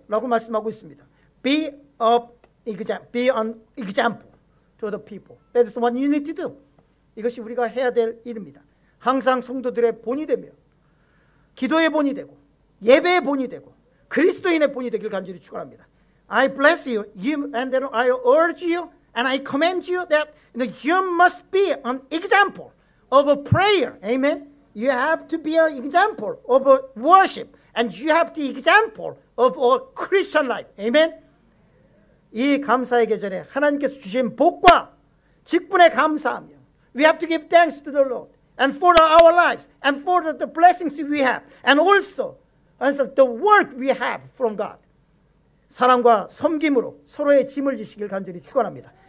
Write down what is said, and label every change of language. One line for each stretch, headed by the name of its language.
Korean: 라고 말씀하고 있습니다.
English: Be an example to the people. That is what you need to do.
Korean: 이것이 우리가 해야 될 일입니다. 항상 성도들의 본이 되며 기도의 본이 되고 예배의 본이 되고 그리스도인의 본이 되길 간절히 축원합니다.
English: I bless you, and then I urge you, and I commend you that you must be an example of a prayer. Amen. You have to be an example of a worship, and you have the example of a Christian life. Amen.
Korean: 이 감사의 계절에 하나님께서 주신 복과 직분에 감사합니다.
English: We have to give thanks to the Lord and for our lives and for the blessings we have and also the work we have from God.
Korean: 사랑과 섬김으로 서로의 짐을 지시길 간절히 축원합니다.